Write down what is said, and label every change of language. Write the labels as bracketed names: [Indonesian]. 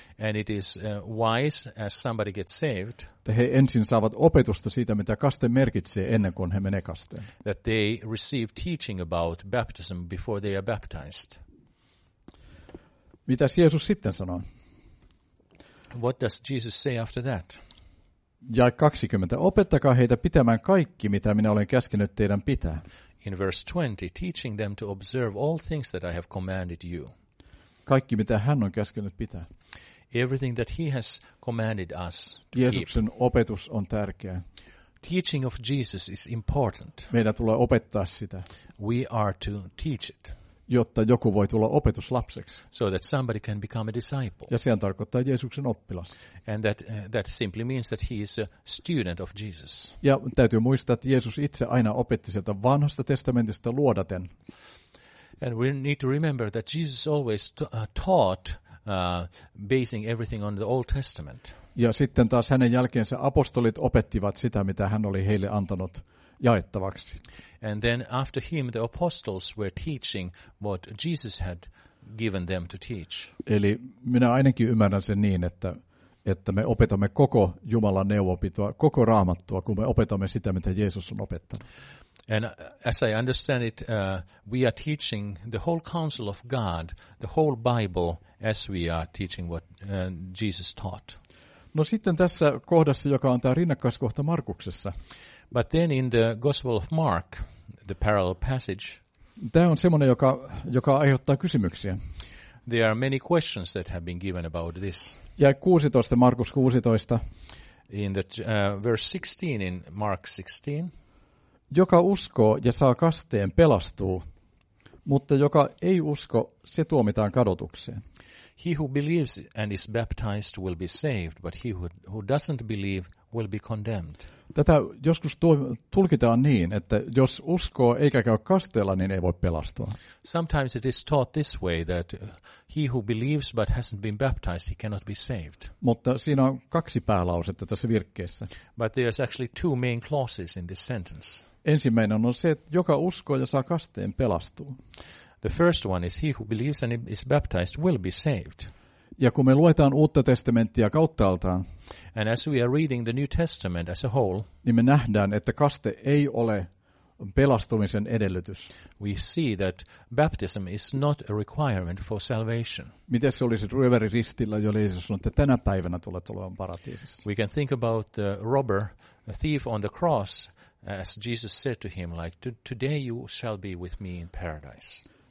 [English] And it is wise as somebody gets saved. [Finnish] He ensin saavat opetusta siitä, mitä kaste merkitsee ennen kuin he menevät kasteen. [English] That they receive teaching about baptism before they are baptized. [Finnish] Mitäs Jeesus sitten sanoo? [English] What does Jesus say after that? [Finnish] Jae 20. Opettakaa heitä pitämään kaikki, mitä minä olen käskenyt teidän pitää. [English] In verse 20, teaching them to observe all things that I have commanded you. [Finnish] Kaikki, mitä hän on käskenyt pitää. [English] Everything that he has commanded us to keep. [Finnish] Jeesuksen opetus on tärkeä. [English] Teaching of Jesus is important. [Finnish] Meidän tulee opettaa sitä. [English] We are to teach it. [Finnish] Jotta joku voi tulla opetuslapseksi. [English] So that somebody can become a disciple. [Finnish] Ja sehän tarkoittaa Jeesuksen oppilas. [English] And that simply means that he is a student of Jesus. [Finnish] Ja täytyy muistaa, että Jeesus itse aina opetti sieltä Vanhasta testamentista luodaten. [English] And we need to remember that Jesus always taught basing everything on the Old Testament. [Finnish] Ja sitten taas hänen jälkeensä apostolit opettivat sitä, mitä hän oli heille antanut jaettavaksi. [English] And then after him the apostles were teaching what Jesus had given them to teach. [Finnish] Eli minä ainakin ymmärrän sen niin, että me opetamme koko Jumalan neuvonpitoa, koko Raamattua, kun me opetamme sitä, mitä Jeesus on opettanut. [English] And as I understand it, we are teaching the whole counsel of God, the whole Bible, as we are teaching what Jesus taught. [Finnish] No sitten tässä kohdassa, joka on tämä rinnakkaiskohta Markuksessa. [English] But then in the Gospel of Mark, the parallel passage. [Finnish] Tämä on semmoinen, joka aiheuttaa kysymyksiä. [English] There are many questions that have been given about this. [Finnish] Ja 16, Markus 16. [English] In the verse 16 in Mark 16. [Finnish] Joka uskoo ja saa kasteen pelastuu, mutta joka ei usko, se tuomitaan kadotukseen. [English] He who believes and is baptized will be saved, but he who doesn't believe will be condemned. [Finnish] Tätä joskus tulkitaan niin, että jos uskoo eikä käy kasteella, niin ei voi pelastua. [English] Sometimes it is taught this way that he who believes but hasn't been baptized, he cannot be saved. [Finnish] Mutta siinä on kaksi päälausetta tässä virkkeessä. [English] But there is actually two main clauses in this sentence. [Finnish] Ensimmäinen on se, että joka uskoo ja saa kasteen pelastuu. [English] The first one is he who believes and is baptized will be saved. [Finnish] Ja kun me luetaan Uutta testamenttia kauttaaltaan, [English] and as we are reading the New Testament as a whole, [Finnish] niin me nähdään, että kaste ei ole pelastumisen edellytys. [English] We see that baptism is not a requirement for salvation. [Finnish] Miten se olisi ryöväri ristillä, jolle Jeesus sanoi, että tänä päivänä tulet olemaan paratiisissa? [English] We can think about the robber, a thief on the cross, as Jesus said to him, like, today you shall be with me in paradise.